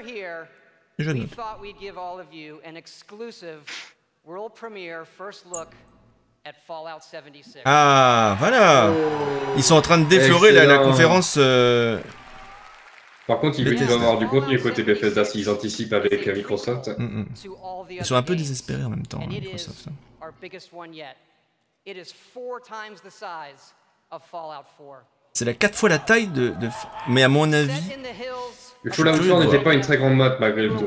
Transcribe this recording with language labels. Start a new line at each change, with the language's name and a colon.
English: here, we thought we'd give all of you an exclusive world premiere first look at Fallout 76.
French: Ah, voilà. Ils sont en train de déflorer la conférence. Par contre, ils veulent avoir du contenu côté Bethesda s'ils anticipent avec Microsoft. Ils sont un peu désespérés en même temps, Microsoft.
English: It is our biggest one yet. It is four times the size of Fallout 4.
French: C'est la 4 fois la taille de... Mais à mon avis... Le Fallout 4 n'était pas une très grande map, malgré tout.